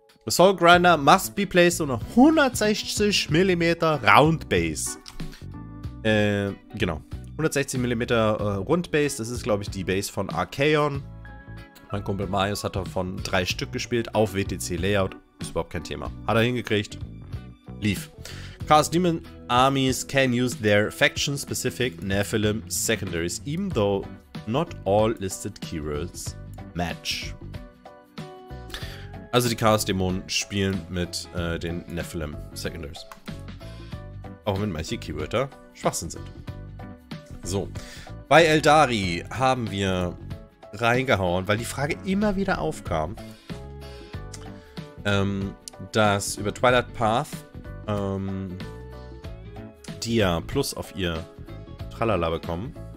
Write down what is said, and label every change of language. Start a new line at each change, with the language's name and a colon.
English: The Soul Grinder must be placed on a 160mm Round Base.
German: Genau. 160mm Rundbase, das ist, glaube ich, die Base von Archaon. Mein Kumpel Marius hat davon 3 Stück gespielt auf WTC Layout. Ist überhaupt kein Thema. Hat er hingekriegt. Lief.
English: Chaos Demon Armies can use their faction-specific Nephilim Secondaries, even though not all listed keywords matter. Match.
German: Also die Chaos-Dämonen spielen mit den Nephilim Secondaries. Auch wenn manche Keywörter Schwachsinn sind. So, bei Eldari haben wir reingehauen, weil die Frage immer wieder aufkam, dass über Twilight Path die ja Plus auf ihr Tralala bekommen.